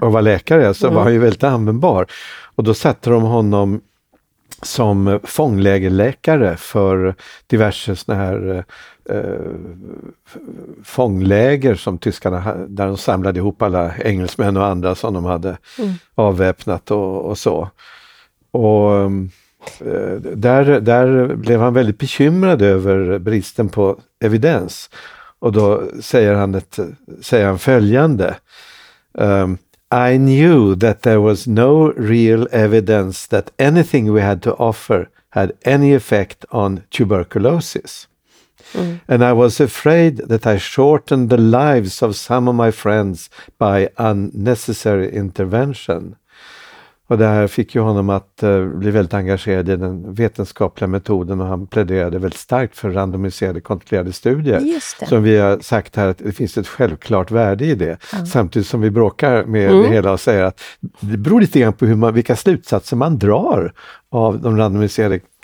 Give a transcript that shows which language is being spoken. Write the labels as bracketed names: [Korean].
[Swedish] Och var läkare så var han ju väldigt användbar. Och då satte de honom som fånglägerläkare för diverse såna här fångläger som tyskarna, där de samlade ihop alla engelsmän och andra som de hade avväpnat och så. Och där blev han väldigt bekymrad över bristen på evidens. Och då säger han följande: [English] I knew that there was no real evidence that anything we had to offer had any effect on tuberculosis. And I was afraid that I shortened the lives of some of my friends by unnecessary intervention. [Swedish] Och det här fick ju honom att bli väldigt engagerad i den vetenskapliga metoden, och han pläderade väldigt starkt för randomiserade kontrollerade studier. Som vi har sagt här, att det finns ett självklart värde i det. Ja. Samtidigt som vi bråkar med det hela och säger att det beror lite grann på vilka slutsatser man drar av de randomiserade